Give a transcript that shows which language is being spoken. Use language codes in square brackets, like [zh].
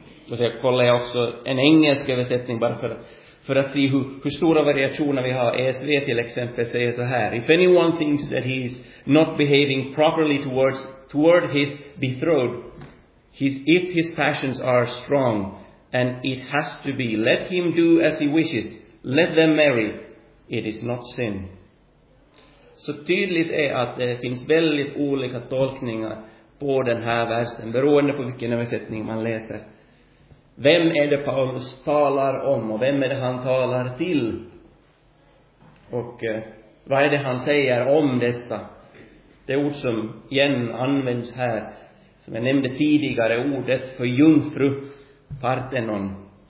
[sv] Och så kollar jag också en engelsk översättning, bara för att se hur stora variationer vi har. ESV till exempel säger så här: [en] if anyone thinks that he is not behaving properly toward his betrothed, if his passions are strong and it has to be, let him do as he wishes, let them marry, it is not sin. [sv] Så tydligt är att det finns väldigt olika tolkningar på den här versen, beroende på vilken översättning man läser. Vem är det Paulus talar om, och vem är det han talar till? Och vad är det han säger om detta? Det ord som igen används här, som jag nämnde tidigare, ordet för jungfru, Parthenon.